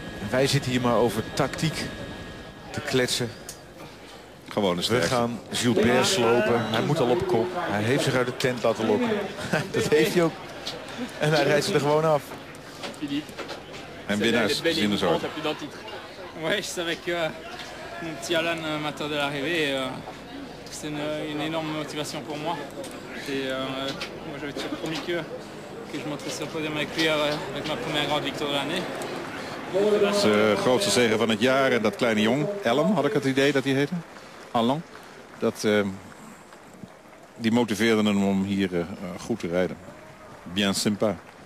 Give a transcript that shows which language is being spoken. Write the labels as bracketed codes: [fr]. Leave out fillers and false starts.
[nl] Wij zitten hier maar over tactiek te kletsen. Gewoon eens we gaan Gilbert slopen. Hij moet al op kop. Hij heeft zich uit de tent laten lokken. Dat heeft hij ook. En hij rijdt ze er gewoon af. En winnaars zien de zorg. [fr] Oui, c'est avec mon petit Alan matin de l'arrivée. C'est une énorme motivation pour moi. Moi j'avais toujours promis que je monterais sur le podium avec lui avec ma première grande victoire de l'année. [nl] De grootste zegen van het jaar en dat kleine jong, Alan, had ik het idee dat hij heette, Alan, die motiveerde hem om hier goed te rijden. [fr] Bien sympa.